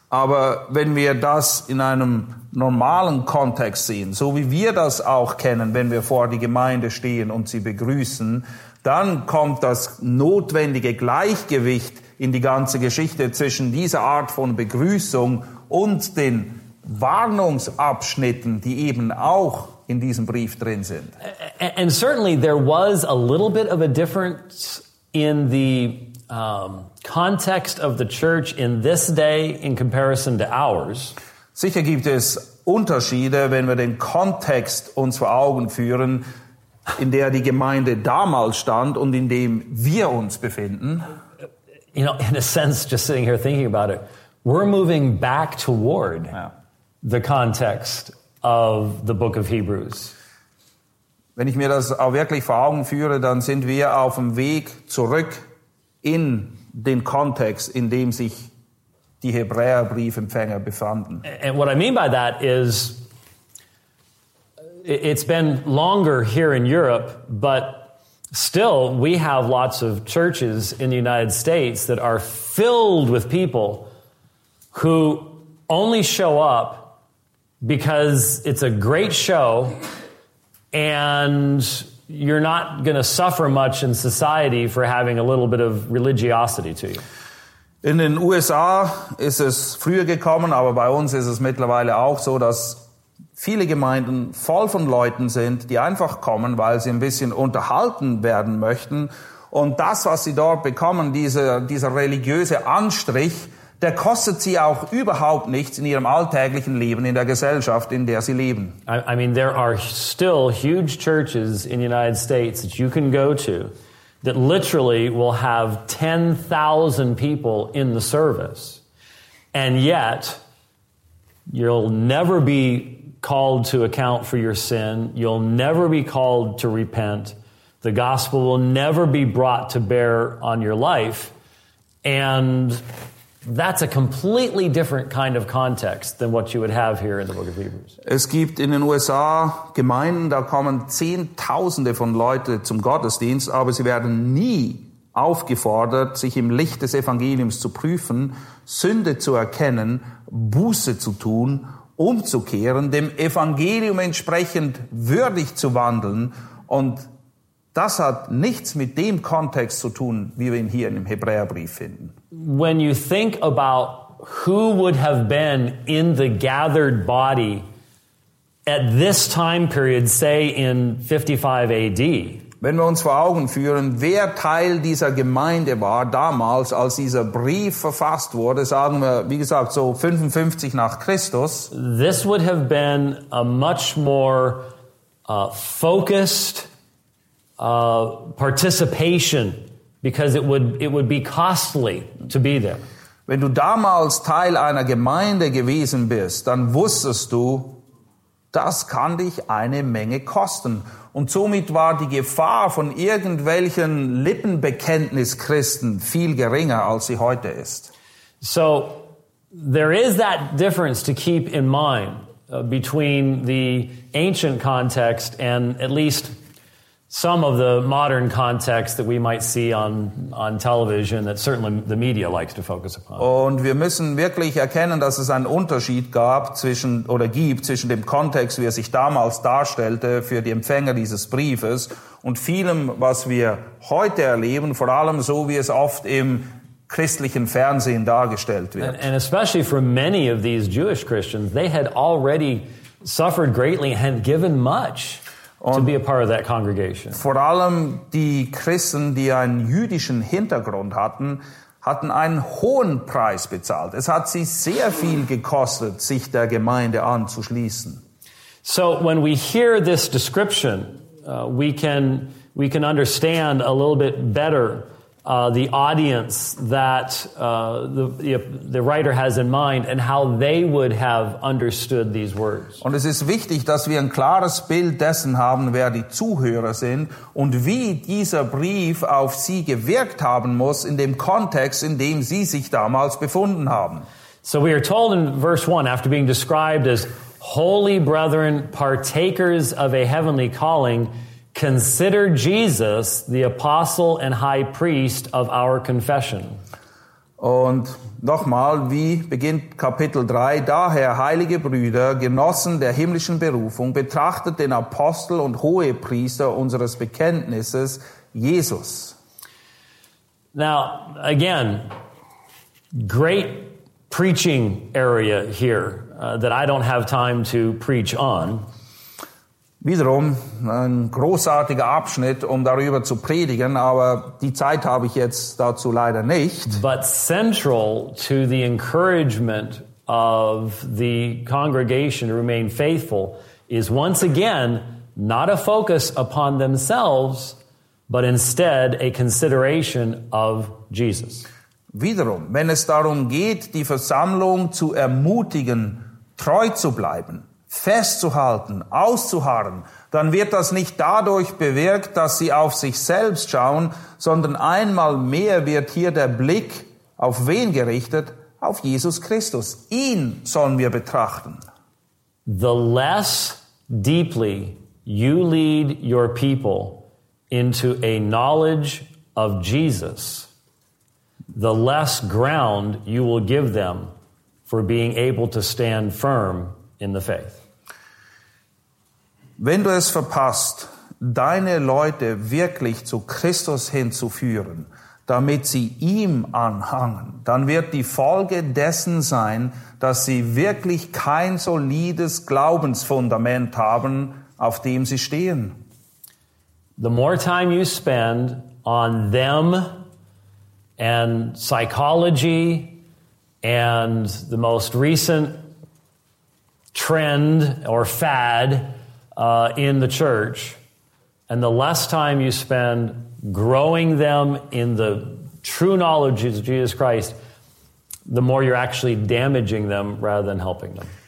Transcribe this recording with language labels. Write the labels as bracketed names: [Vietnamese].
[German] Aber wenn wir das in einem normalen Kontext sehen, so wie wir das auch kennen, wenn wir vor die Gemeinde stehen und sie begrüßen, dann kommt das notwendige Gleichgewicht in die ganze Geschichte zwischen dieser Art von Begrüßung und den Warnungsabschnitten, die eben auch in diesem Brief drin sind. [English] And certainly there was a little bit of a difference in the context of the church in this day in comparison to ours. [German] Sicher gibt es Unterschiede, wenn wir den Kontext uns vor Augen führen, in der die Gemeinde damals stand und in dem wir uns befinden. [English] You know, in a sense, just sitting here thinking about it, we're moving back toward the context of the book of Hebrews. [German] Wenn ich mir das auch wirklich vor Augen führe, dann sind wir auf dem Weg zurück in den Kontext, in dem sich die Hebräerbriefempfänger befanden. [English] And what I mean by that is, it's been longer here in Europe, but still, we have lots of churches in the United States that are filled with people who only show up because it's a great show and you're not going to suffer much in society for having a little bit of religiosity to you. [German] In den USA ist es früher gekommen, aber bei uns ist es mittlerweile auch so, dass viele Gemeinden voll von Leuten sind, die einfach kommen, weil sie ein bisschen unterhalten werden möchten. Und das, was sie dort bekommen, dieser religiöse Anstrich, der kostet sie auch überhaupt nichts in ihrem alltäglichen Leben, in der Gesellschaft, in der sie leben. [English] I mean, there are still huge churches in the United States that you can go to that literally will have 10,000 people in the service. And yet, you'll never be called to account for your sin. You'll never be called to repent. The gospel will never be brought to bear on your life. And that's a completely different kind of context than what you would have here in the book of Hebrews. [German] Es gibt in den USA Gemeinden, da kommen Zehntausende von Leuten zum Gottesdienst, aber sie werden nie aufgefordert, sich im Licht des Evangeliums zu prüfen, Sünde zu erkennen, Buße zu tun, umzukehren, dem Evangelium entsprechend würdig zu wandeln. Und das hat nichts mit dem Kontext zu tun, wie wir ihn hier im Hebräerbrief finden. [English] When you think about who would have been in the gathered body at this time period, say in 55 AD. [German] Wenn wir uns vor Augen führen, wer Teil dieser Gemeinde war damals, als dieser Brief verfasst wurde, sagen wir, wie gesagt, so 55 nach Christus. [English] This would have been a much more focused participation, because it would be costly to be there. [German] Wenn du damals Teil einer Gemeinde gewesen bist, dann wusstest du, das kann dich eine Menge kosten. Und somit war die Gefahr von irgendwelchen Lippenbekenntnis-Christen viel geringer, als sie heute ist. [English] So, there is that difference to keep in mind between the ancient context and at least some of the modern context that we might see on television that certainly the media likes to focus upon. [German] Und wir müssen wirklich erkennen, dass es einen Unterschied gibt zwischen dem Kontext, wie er sich damals darstellte für die Empfänger dieses Briefes, und vielem, was wir heute erleben, vor allem so, wie es oft im christlichen Fernsehen dargestellt wird. [English] And especially for many of these Jewish Christians, they had already suffered greatly and given much to be a part of that congregation. [German] Vor allem die Christen, die einen jüdischen Hintergrund hatten, hatten einen hohen Preis bezahlt. Es hat sie sehr viel gekostet, sich der Gemeinde anzuschließen. [English] So when we hear this description, we can understand a little bit better the audience that the writer has in mind and how they would have understood these words. [German] Und es ist wichtig, dass wir ein klares Bild dessen haben, wer die Zuhörer sind und wie dieser Brief auf sie gewirkt haben muss in dem Kontext, in dem sie sich damals befunden haben. [English] So we are told in verse 1, after being described as holy brethren, partakers of a heavenly calling, consider Jesus the apostle and high priest of our confession. [German] Und nochmal, wie beginnt Kapitel 3? Daher, heilige Brüder, Genossen der himmlischen Berufung, betrachtet den Apostel und hohe Priester unseres Bekenntnisses, Jesus. [English] Now, again, great preaching area here that I don't have time to preach on. [German] Wiederum ein großartiger Abschnitt, um darüber zu predigen, aber die Zeit habe ich jetzt dazu leider nicht. [English] But central to the encouragement of the congregation to remain faithful is once again not a focus upon themselves, but instead a consideration of Jesus. [German] Wiederum, wenn es darum geht, die Versammlung zu ermutigen, treu zu bleiben, festzuhalten, auszuharren, dann wird das nicht dadurch bewirkt, dass sie auf sich selbst schauen, sondern einmal mehr wird hier der Blick auf wen gerichtet? Auf Jesus Christus. Ihn sollen wir betrachten. [English] The less deeply you lead your people into a knowledge of Jesus, the less ground you will give them for being able to stand firm in the faith. [German] Wenn du es verpasst, deine Leute wirklich zu Christus hinzuführen, damit sie ihm anhangen, dann wird die Folge dessen sein, dass sie wirklich kein solides Glaubensfundament haben, auf dem sie stehen. [English] The more time you spend on them and psychology and the most recent trend or fad in the church, and the less time you spend growing them in the true knowledge of Jesus Christ, the more you're actually damaging them rather than helping them.